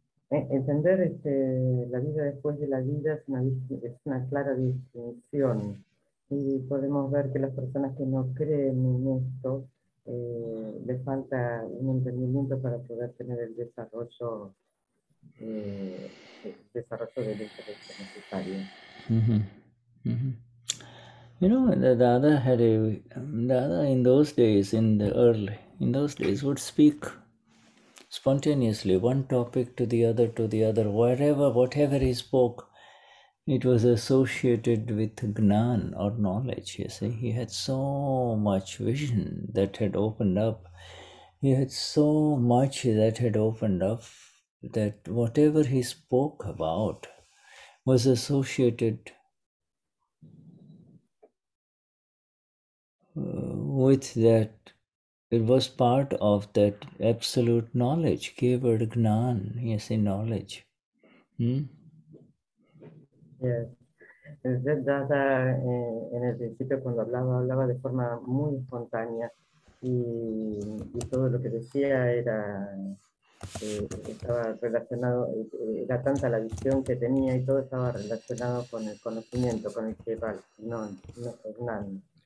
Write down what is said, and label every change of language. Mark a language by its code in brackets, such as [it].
[es] Entender la vida después de la vida es una clara distinción. Y podemos ver que las personas que no creen en esto, les falta un entendimiento para poder tener el desarrollo del interés necesario. [en] You know, Dada in those days, in those days would speak spontaneously, one topic to the other, whatever he spoke, it was associated with Gnan or knowledge, you see. He had so much vision that had opened up. He had so much that had opened up that whatever he spoke about was associated with that. It was part of that absolute knowledge, keyword Gnan, you see, knowledge. Yes. [es] Dada, en el principio, cuando hablaba de forma muy espontánea, y todo lo que decía estaba relacionado, era tanta la visión que tenía, y todo estaba relacionado con el conocimiento, con el keyword Gnan.